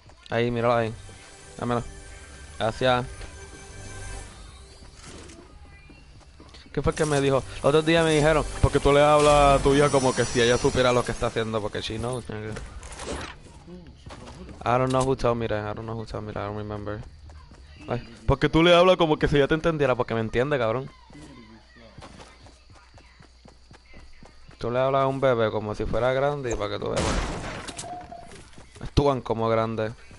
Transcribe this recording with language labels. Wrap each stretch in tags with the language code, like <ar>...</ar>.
<es>Ahí, míralo ahí. Dámelo. Gracias. ¿Qué fue que me dijo? El otro día me dijeron, porque tú le hablas a tu hija como que si ella supiera lo que está haciendo, porque</es> <en>she knows. I don't know who told me that. I don't know who told me that. I don't remember.</en> <es>Ay, porque tú le hablas como que si ella te entendiera, porque me entiende, cabrón. Tú le hablas a un bebé como si fuera grande y para que tú veas. Actúan como grandes.</es>